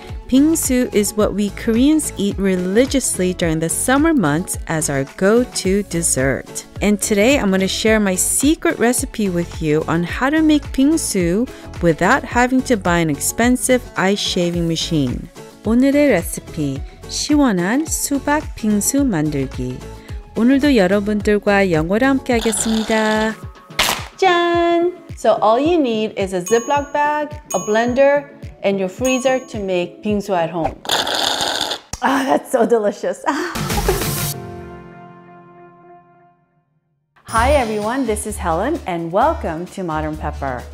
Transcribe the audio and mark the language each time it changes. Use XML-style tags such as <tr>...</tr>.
<en>Bingsu is what we Koreans eat religiously during the summer months as our go-to dessert. And today, I'm going to share my secret recipe with you on how to make bingsu without having to buy an expensive ice shaving machine.</en> <ko>오늘의 레시피, 시원한 수박 빙수 만들기. 오늘도 여러분들과 영어를 함께 하겠습니다. 짠!</ko> <en>So all you need is a Ziploc bag, a blender, and your freezer to make bingsu at home. Ah, that's so delicious. Hi everyone, this is Helen and welcome to Modern Pepper.</en>